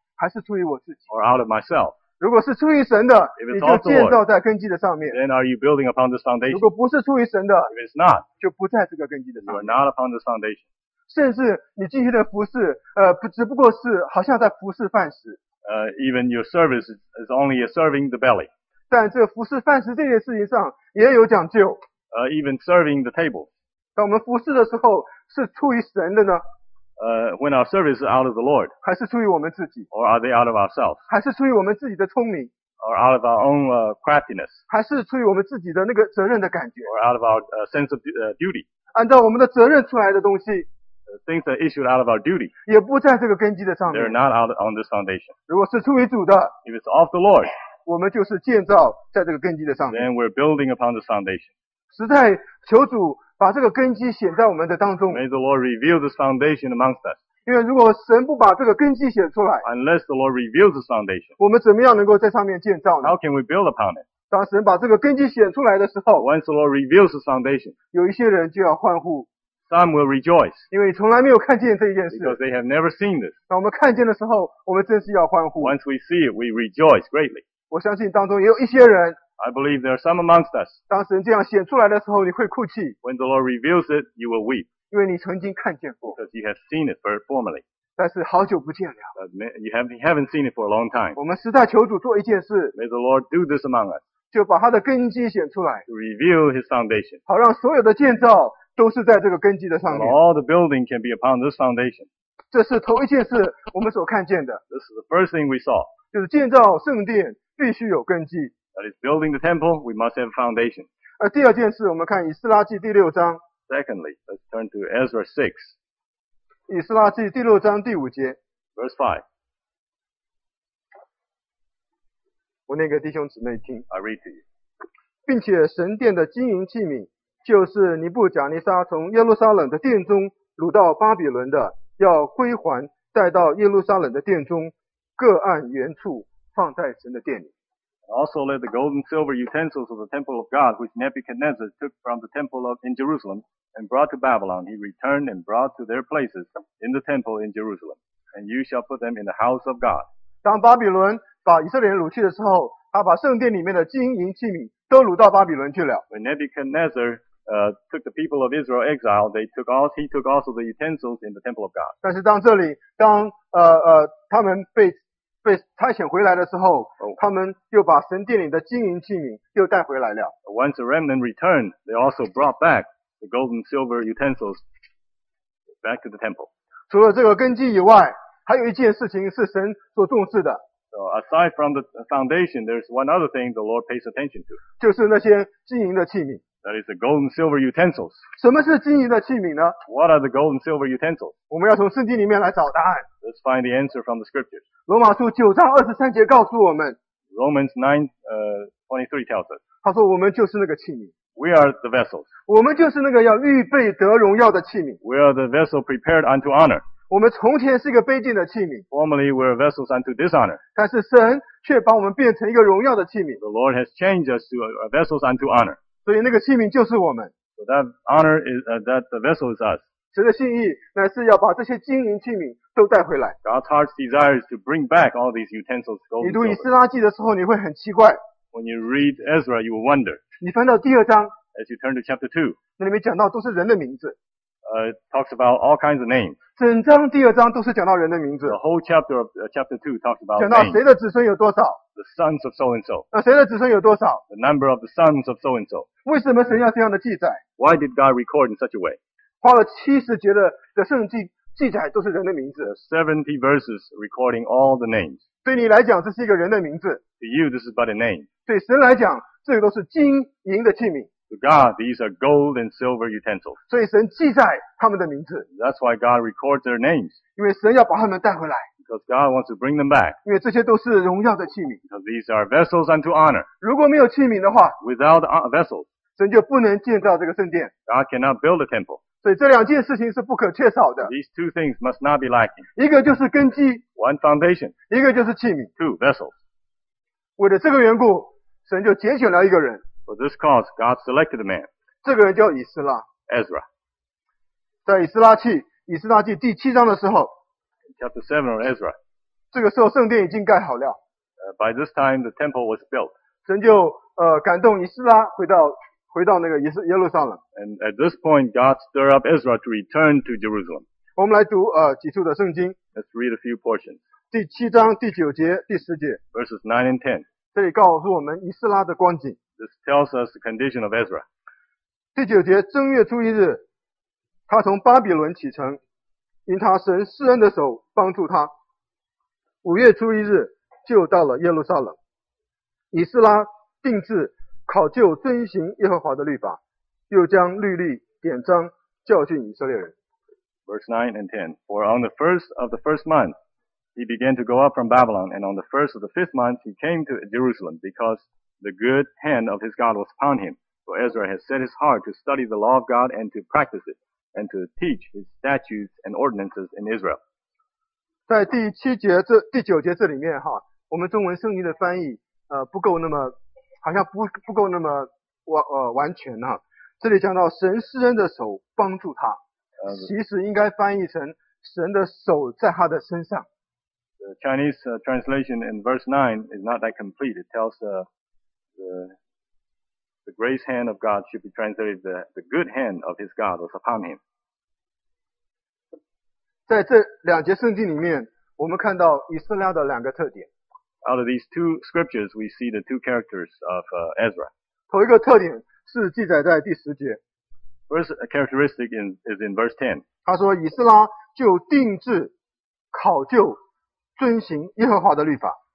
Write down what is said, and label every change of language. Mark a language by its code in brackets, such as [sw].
[zh] 还是出于我自己。 [en] Or out of myself. [zh] 如果是出于神的，你就建造在根基的上面。 [en] Then are you building upon this foundation? [zh] 如果不是出于神的， [en] If it's not, [zh] 就不在这个根基的上面。 [en] You are not upon this foundation. [zh] 甚至你今天的服事，只不过是好像在服事饭食。 [en] Even your service is only serving the belly. [zh] 但这服事饭食这件事情上也有讲究。 [en] Even serving the table. [zh] 当我们服事的时候是出于神的呢？ [en] When our service is out of the Lord, [zh] 还是出于我们自己, [en] or are they out of ourselves? [zh] 还是出于我们自己的聪明, [en] or out of our own craftiness? [zh] 还是出于我们自己的那个责任的感觉, [en] or out of our sense of duty? [zh] 按照我们的责任出来的东西, [en] things are issued out of our duty, [zh] 也不在这个根基的上面, [en] they're not out on this foundation. [zh] 如果是出于主的, [en] if it's of the Lord, [zh] 我们就是建造在这个根基的上面, [en] then we're building upon this foundation. [zh] 实在求主把这个根基显在我们的当中。 [en] May the Lord reveal this foundation amongst us. [zh] 因为如果神不把这个根基显出来， [en] Unless the Lord reveals this foundation, [zh] 我们怎么样能够在上面建造呢？ [en] How can we build upon it? [zh] 当神把这个根基显出来的时候， [en] Once the Lord reveals this foundation, [zh] 有一些人就要欢呼。 [en] Some will rejoice. [zh] 因为从来没有看见这件事。 [en] Because they have never seen this. [zh] 当我们看见的时候，我们真是要欢呼。 [en] Once we see it, we rejoice greatly. [zh] 我相信当中也有一些人， [en] I believe there are some amongst us. [zh] 当神这样显出来的时候，你会哭泣。 [en] When the Lord reveals it, you will weep. [zh] 因为你曾经看见过。 [en] Because you have seen it formerly. [zh] 但是好久不见了。 [en] You haven't seen it for a long time. [zh] 我们实在求主做一件事。 [en] May the Lord do this among us. [zh] 就把他的根基显出来。 [en] To reveal his foundation. [zh] 好让所有的建造都是在这个根基的上面。 [en] All the building can be upon this foundation. [zh] 这是头一件事我们所看见的。 [en] This is the first thing we saw. [zh] 就是建造圣殿必须有根基。 [en] That is building the temple, we must have a foundation. [zh] 第二件事我们看以斯拉记第六章。 [en] Secondly, let's turn to Ezra 6. [zh] 以斯拉记第六章第五节。 [en] Verse 5. [zh] 我念给弟兄姊妹听。 [en] I read to you. [zh] 并且神殿的金银器皿，就是尼布甲尼撒从耶路撒冷的殿中掳到巴比伦的，要归还带到耶路撒冷的殿中，各按原处放在神的殿里。 [en] Also let the gold and silver utensils of the temple of God, which Nebuchadnezzar took from the temple in Jerusalem and brought to Babylon, he returned and brought to their places in the temple in Jerusalem. And you shall put them in the house of God. [zh] 当巴比伦把以色列人掳去的时候，他把圣殿里面的金银器皿都掳到巴比伦去了。 [en] When Nebuchadnezzar took the people of Israel exile, he took also the utensils in the temple of God. [zh] 但是当这里，当他们被差遣回来的时候，他们又把神殿里的金银器皿又带回来了。 [en] Once the remnant returned, they also brought back the gold and silver utensils back to the temple. [zh] 除了这个根基以外，还有一件事情是神所重视的。 [en] So aside from the foundation, there's one other thing the Lord pays attention to. [zh] 就是那些金银的器皿。 [en] That is the gold and silver utensils. [zh] 什么是金银的器皿呢？ [en] What are the gold and silver utensils? [zh] 我们要从圣经里面来找答案。 [en] Let's find the answer from the scriptures. [zh] 罗马书九章二十三节告诉我们。 [en] Romans 9:23 tells us. [zh] 他说我们就是那个器皿。 [en] We are the vessels. [zh] 我们就是那个要预备得荣耀的器皿。 [en] We are the vessel prepared unto honor. [zh] 我们从前是一个卑贱的器皿。 [en] Formerly we were vessels unto dishonor. [zh] 但是神却把我们变成一个荣耀的器皿。 [en] The Lord has changed us to vessels unto honor. [zh] 所以那个器皿就是我们。 [en] So that honor is, that the vessel is us. [zh] 神的心意乃是要把这些金银器皿都带回来。 [en] God's heart desires to bring back all these utensils. [zh] 你读以斯拉记的时候，你会很奇怪。 [en] When you read Ezra, you will wonder. [zh] 你翻到第二章。 [en] As you turn to chapter 2. [zh] 那里面讲到都是人的名字。 [en] Talks about all kinds of names. [zh] 整章第二章都是讲到人的名字。 [en] The whole chapter of chapter 2 talks about. [zh] 讲到谁的子孙有多少。 [en] The sons of so and so. [zh] 那谁的子孙有多少。 [en] The number of the sons of so and so. [zh] 为什么神要这样的记载。 [en] Why did God record in such a way? [zh] 花了七十节的圣经记载都是人的名字。 [en] 70 verses recording all the names. [zh] 对你来讲这是一个人的名字。 [en] To you this is but a name. [zh] 对神来讲这都是金银的器皿。 [en] To God, these are gold and silver utensils. [zh] 所以神记载他们的名字。 [en] That's why God records their names. [zh] 因为神要把他们带回来。 [en] Because God wants to bring them back. [zh] 因为这些都是荣耀的器皿。 [en] Because these are vessels unto honor. [zh] 如果没有器皿的话， [en] Without vessels, [zh] 神就不能建造这个圣殿。 [en] God cannot build a temple. [zh] 所以这两件事情是不可缺少的。 [en] These two things must not be lacking. [zh] 一个就是根基。 [en] One foundation. [zh] 一个就是器皿。 [en] Two vessels. [zh] 为了这个缘故，神就拣选了一个人。 [en] For this cause, God selected a man. [zh] 这个人叫以斯拉。 [en] Ezra. [zh] 在以斯拉记第七章的时候。 [en] Chapter 7 of Ezra. [zh] 这个时候圣殿已经盖好了。 [en] By this time, the temple was built. [zh] 神就感动以斯拉回到那个耶路撒冷。 [en] And at this point, God stirred up Ezra to return to Jerusalem. [zh] 我们来读几处的圣经。 [en] Let's read a few portions. [zh] 第七章第九节第十节。 [en] Verses 9 and 10. [zh] 这里告诉我们以斯拉的光景。 [en] This tells us the condition of Ezra. [zh] 第九节，正月初一日，他从巴比伦启程，因他神施恩的手帮助他。五月初一日，就到了耶路撒冷。以斯拉定制考究遵行耶和华的律法，又将律例典章教训以色列人。 [en] Verse 9 and 10. For on the first of the first month, he began to go up from Babylon, and on the first of the fifth month, he came to Jerusalem, because the good hand of his God was upon him. For Ezra has set his heart to study the law of God and to practice it, and to teach his statutes and ordinances in Israel. [zh] 在第七节这第九节这里面哈，我们中文圣经的翻译不够那么好像不够那么完全哈、啊。这里讲到神施恩的手帮助他，其实应该翻译成神的手在他的身上。 [en] The Chinese translation in verse 9 is not that complete. It tells the grace hand of God should be translated the good hand of his God was upon him. [zh] 在这两节圣经里面，我们看到以斯拉的两个特点。 [en] Out of these two scriptures, we see the two characters of Ezra. [zh] 头一个特点是记载在第十节。 [en] First characteristic is in verse 10. [zh] 他说以斯拉就定制考究遵行耶和华的律法。